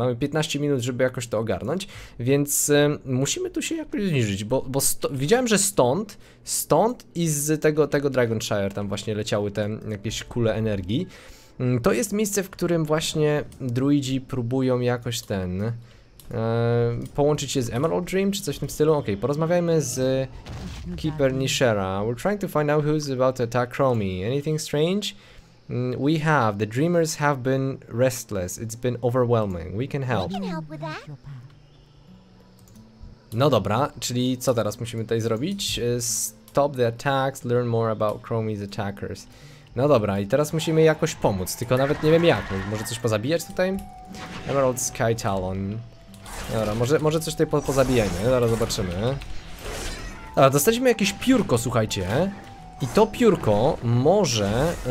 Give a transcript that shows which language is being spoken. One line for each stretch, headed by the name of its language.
Polish: Mamy 15 minut, żeby jakoś to ogarnąć, więc musimy tu się jakoś zniżyć, bo widziałem, że stąd i z tego Dragonshire tam właśnie leciały te jakieś kule energii. To jest miejsce, w którym właśnie druidzi próbują jakoś ten... połączyć się z Emerald Dream, czy coś w tym stylu? Okej, porozmawiajmy z Keeper Nishera.
English: We're trying to find out who's about to attack Chromie. Anything strange? We have. The Dreamers have been restless. It's been overwhelming. We can help.
Polish: No dobra, czyli co teraz musimy tutaj zrobić?
English: Stop the attacks, learn more about Chromie's attackers.
Polish: No dobra, i teraz musimy jakoś pomóc, tylko nawet nie wiem jak. Może coś pozabijać tutaj? Emerald Sky Talon. Dobra, może coś tutaj pozabijajmy, zaraz zobaczymy. Dobra, dostaliśmy jakieś piórko, słuchajcie. I to piórko może...